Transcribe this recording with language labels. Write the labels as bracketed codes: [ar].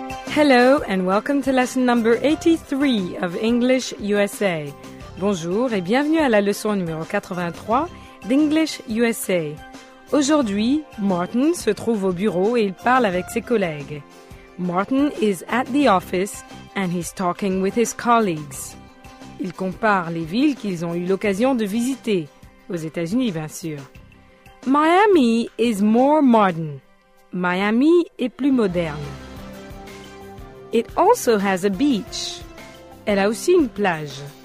[en] Hello and welcome to lesson number 83 of English USA. [fr] Bonjour et bienvenue à la leçon numéro 83 d'English USA. Aujourd'hui, Martin se trouve au bureau et il parle avec ses collègues. [en] Martin is at the office and he's talking with his colleagues. [fr] Il compare les villes qu'ils ont eu l'occasion de visiter, aux États-Unis bien sûr. [en] Miami is more modern. [fr] Miami est plus moderne. [en] It also has a beach. [fr] Elle a aussi une plage.